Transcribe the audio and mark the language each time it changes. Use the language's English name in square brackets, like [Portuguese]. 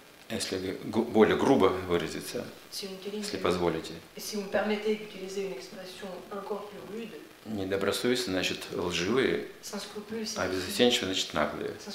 [Russian] Если более грубо выразиться, если позволите. [French] Si vous me permettez d'utiliser une expression encore plus rude. [Russian] Недобросовестные, значит, лживые, а беззастенчивые, значит, наглые.